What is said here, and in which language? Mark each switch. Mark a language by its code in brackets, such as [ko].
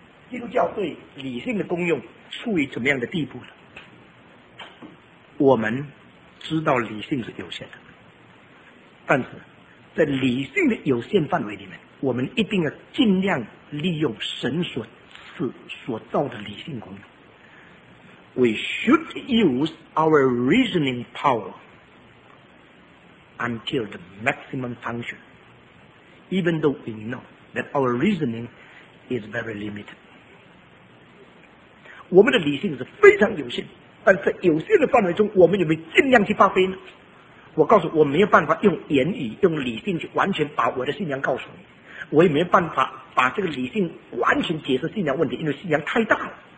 [zh] 基督教对理性的功用处于怎么样的地步呢？我们知道理性是有限的，但是在理性的有限范围里面，我们一定要尽量利用神所造的理性功用。 [en] We should use our reasoning powerUntil the maximum function, even though we know that our reasoning is very limited. [zh] 我们的理性是非常有限，但在有限的范围中，我们有没有尽量去发挥呢？我告诉我没有办法用言语、用理性去完全把我的信仰告诉你，我也没有办法把这个理性完全解释信仰问题，因为信仰太大了。